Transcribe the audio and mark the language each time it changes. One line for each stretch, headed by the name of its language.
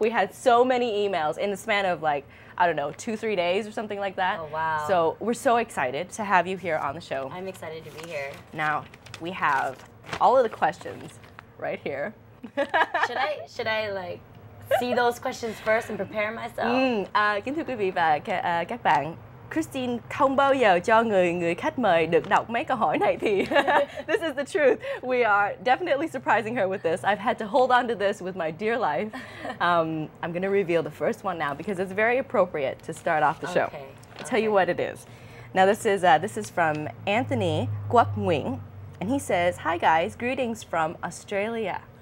English: We had so many emails in the span of like, I don't know, 2-3 days or something like that. Oh, wow. So we're so excited to have you here on the show. I'm excited to be here. Now, we have all of the questions right here. should I see those questions first and prepare myself?
Vietnamese: Kính thưa quý vị và các bạn, Kristine không bao giờ cho người khách mời được đọc mấy câu hỏi này thì
English: this is the truth. We are definitely surprising her with this. I've had to hold on to this with my dear life. I'm going to reveal the first one now because it's very appropriate to start off the show. Okay. Tell you what it is. Now this is from Anthony Quoc Nguyen, and he says, "Hi guys, greetings from Australia."